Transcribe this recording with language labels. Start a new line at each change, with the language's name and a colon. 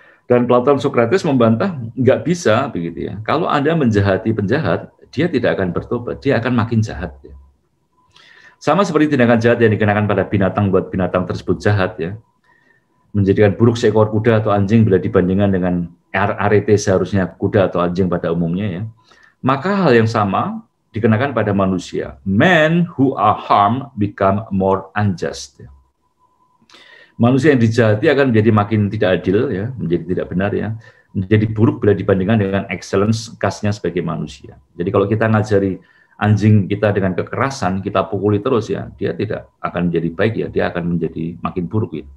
Indonesian: Dan Platon Socrates membantah, nggak bisa begitu ya. Kalau Anda menjahati penjahat, dia tidak akan bertobat, dia akan makin jahat. Ya. Sama seperti tindakan jahat yang dikenakan pada binatang buat binatang tersebut jahat ya. Menjadikan buruk seekor kuda atau anjing bila dibandingkan dengan arete seharusnya kuda atau anjing pada umumnya ya. Maka hal yang sama dikenakan pada manusia.
English: Men who are harmed become more unjust ya.
Indonesian: Manusia yang dijahati akan menjadi makin tidak adil ya, menjadi tidak benar ya, menjadi buruk bila dibandingkan dengan excellence khasnya sebagai manusia. Jadi kalau kita ngajari anjing kita dengan kekerasan, kita pukuli terus ya, dia tidak akan menjadi baik ya, dia akan menjadi makin buruk ya.